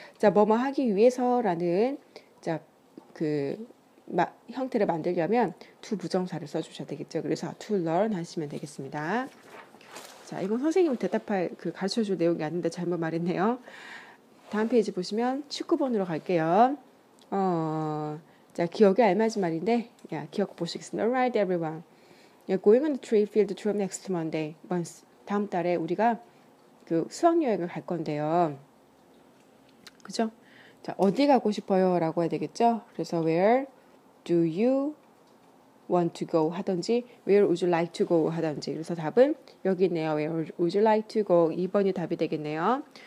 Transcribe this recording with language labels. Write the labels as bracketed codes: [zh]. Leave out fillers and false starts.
[ko] 자, 뭐뭐 하기 위해서라는 자, 그 형태를 만들려면 to 부정사를 써주셔야 되겠죠. 그래서 [en] to learn [ko] 하시면 되겠습니다. 자, 이건 선생님이 대답할 그 가르쳐 줄 내용이 아닌데 잘못 말했네요. 다음 페이지 보시면 19번으로 갈게요. 자, 기억에 알맞은 말인데, 야, 기억 보시겠습니다. [en] Alright, everyone. We're going on the tree field trip next Monday. [ko] 다음 달에 우리가 그 수학여행을 갈 건데요. 그죠? 자, 어디 가고 싶어요? 라고 해야 되겠죠? 그래서 [en] Where do you want to go? 하던지 Where would you like to go? [ko] 하던지. 그래서 답은 여기 있네요. [en] Where would you like to go? [ko] 2번이 답이 되겠네요.